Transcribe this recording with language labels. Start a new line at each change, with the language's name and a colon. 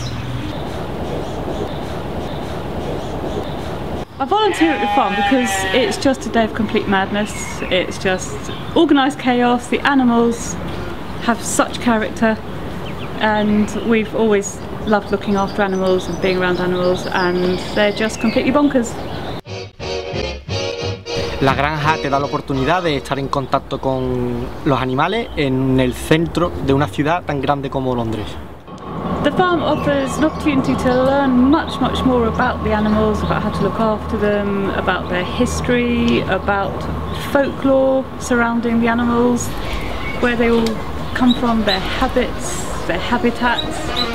English: I volunteer at the farm because it's just a day of complete madness. It's just organised chaos, the animals have such character, and we've always loved looking after animals and being around animals, and they're just completely bonkers.
Spanish: La granja te da la oportunidad de estar en contacto con los animales en el centro de una ciudad tan grande como Londres.
English: The farm offers an opportunity to learn much, much more about the animals, about how to look after them, about their history, about folklore surrounding the animals, where they all come from, their habits, their habitats.